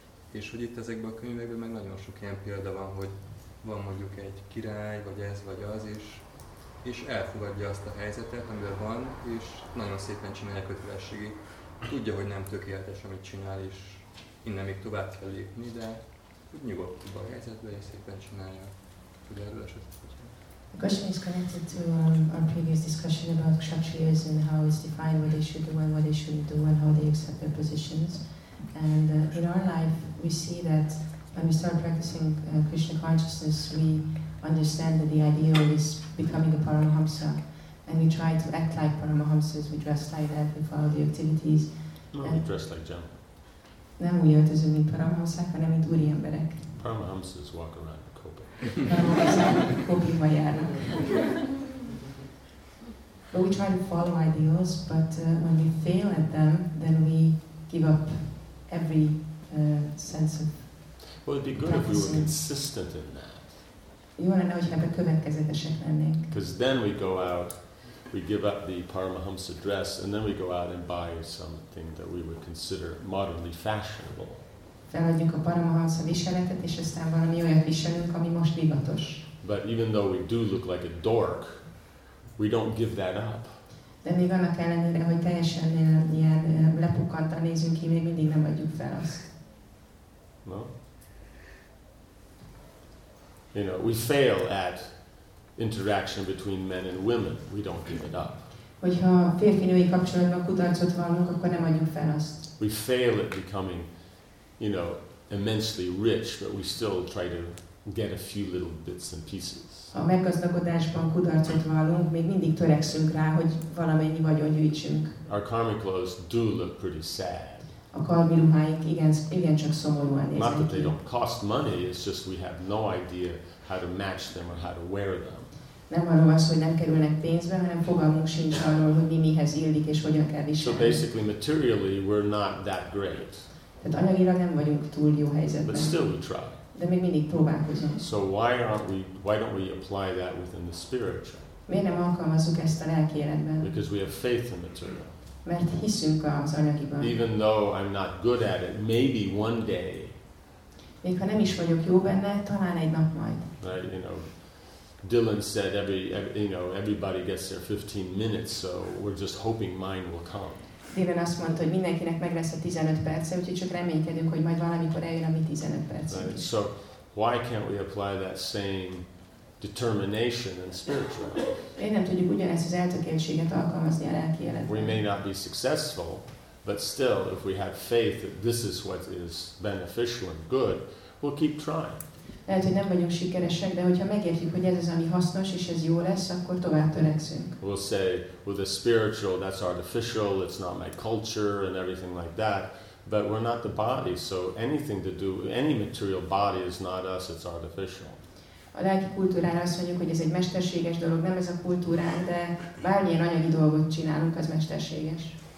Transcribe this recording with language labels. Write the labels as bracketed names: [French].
[Hungarian] És hogy itt ezekben a könyvekben meg nagyon sok ilyen példa van, hogy van mondjuk egy király, vagy ez, vagy az, és elfogadja azt a helyzetet, amivel van, és nagyon szépen csinálja kötelességét. Tudja, hogy nem tökéletes, amit csinál, és innen még tovább kell lépni, de úgy nyugodt a helyzetben, és szépen csinálja. Tudja erről esetleg? [English] The question is connected to our previous discussion about kshatriyas and how it's defined, what they should do and what they shouldn't do, and how they accept their positions. And in our life, we see that when we start practicing Krishna consciousness, we understand that the ideal is becoming a Paramahamsa. And we try to act like Paramahamsas, we dress like that, we follow the activities. No, we dress like Jem. [Hungarian] Nem úgy öltözünk, mint Paramahamsák, hanem mint úri emberek. [English] Paramahamsas walk around the kopi. [Hungarian] Paramahamsák kopiba járnak. [English] But we try to follow ideals, but when we fail at them, then we give up every sense of practicing. Well, it'd be good if we were consistent in that. You want to know, [Hungarian] hogyha ebben következetesek lennénk. [English] Because then we go out, we give up the Paramahamsa dress, and then we go out and buy something that we would consider modernly fashionable. [Hungarian] Feladjuk a Paramahamsa viseletet, és aztán valami olyat viselünk, ami most divatos. [English] But even though we do look like a dork, we don't give that up. [Hungarian] De még annak ellenére, hogy teljesen ilyen lepukkantan nézünk ki, még mindig nem adjuk fel azt. [English] No. You know, we fail at interaction between men and women. We don't give it up. [Hungarian] Hogyha férfi-női kapcsolatban kudarcot vallunk, akkor nem adjuk fel azt. [English] We fail at becoming, you know, immensely rich, but we still try to get a few little bits and pieces. [Hungarian] A meggazdagodásban kudarcot vallunk, még mindig törekszünk rá, hogy valamennyi vagyon gyűjtsünk. [English] Our karmic clothes do look pretty sad. [Hungarian] A karmi ruháink igen csak szomorúan néznek ki. [English] Not that they don't cost money, it's just we have no idea how to match them or how to wear them. [Hungarian] Nem arról az, hogy nem kerülnek pénzbe, hanem fogalmunk sincs arról, hogy mi mihez illik és hogyan kell viselni. [English] So basically, materially, we're not that great. [Hungarian] Tehát anyagilag nem vagyunk túl jó helyzetben. [English] But still we try. [Hungarian] De még mindig próbálkozunk. [English] So why don't we apply that within the spiritual? [Hungarian] Miért nem alkalmazzuk ezt a lelki életben? [English] Because we have faith in material. [Hungarian] Mert hiszünk az anyagiban. [English] Even though I'm not good at it, maybe one day. [Hungarian] Még ha nem is vagyok jó benne, talán egy nap majd. [English] Right, you know. Dylan said everybody gets their 15 minutes, so we're just hoping mine will come. [Hungarian] Dylan azt mondta, hogy mindenkinek meg lesz a 15 perce, úgyhogy csak reménykedünk, hogy majd valamikor eljön a mi 15 perc. [English] Right. So why can't we apply that same determination and spiritual? [Hungarian] Én nem tudjuk ugyanezt az eltökéltséget alkalmazni a lelki életben. [English] We may not be successful, but still if we have faith that this is what is beneficial and good, we'll keep trying. [Hungarian] Lehet, hogy nem vagyunk sikeresek, de hogyha megértjük, hogy ez az, ami hasznos, és ez jó lesz, akkor tovább törekszünk. [English] We'll say, with the spiritual, that's artificial, it's not my culture, and everything like that. But we're not the body, so anything to do, any material body is not us, it's artificial. [Hungarian] A lelki kultúrára azt mondjuk, hogy ez egy mesterséges dolog, nem ez a kultúrán, de bármilyen anyagi dolgot csinálunk, az mesterséges.